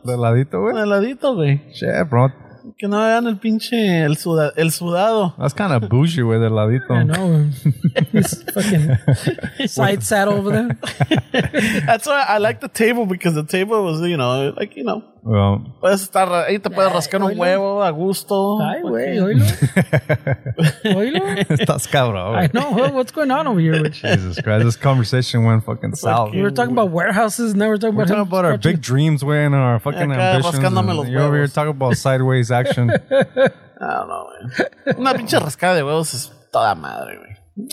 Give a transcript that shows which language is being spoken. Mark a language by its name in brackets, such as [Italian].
[Spanish] De ladito, güey. De ladito, güey. [English] Yeah, bro. [Spanish] Que no vean el pinche el sudado. [English] That's kind of bougie with el ladito. I know. He's fucking side saddle over there. That's why I like the table, because the table was, you know, like, you know. Well, [Spanish] puedes estar ahí, te puedes rascar un huevo a gusto. Ay, güey, oílo. Oílo. Estás cabrón. [English] I know. What's going on over here with you? Jesus Christ. This conversation went fucking south. We were talking about warehouses. Now we're talking about our big dreams, way, and our fucking ambitions. You're over here talking about sideways action. I don't know, man. [Spanish] Una pinche rascada de huevos es toda madre, güey.